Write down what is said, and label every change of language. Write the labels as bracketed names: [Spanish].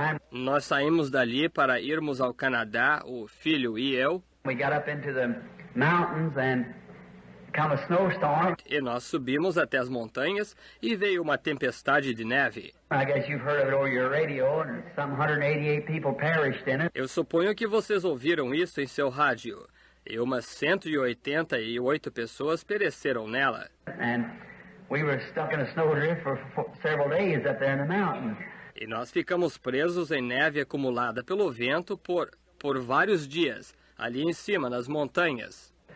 [Portuguese] Nós saímos dali para irmos ao Canadá, o filho e eu. [English] We got up into the mountains and come a snowstorm. [Portuguese] E nós subimos até as montanhas e veio uma tempestade de neve. [English] I guess you've heard of it over your radio and some 188 people perished in it. [Portuguese] Eu suponho que vocês ouviram isso em seu rádio. E umas 188 pessoas pereceram nela. [English] And we were stuck in a snowdrift for several days up there in the mountains. [Portuguese] E nós ficamos presos em neve acumulada pelo vento por vários dias, ali em cima, nas montanhas.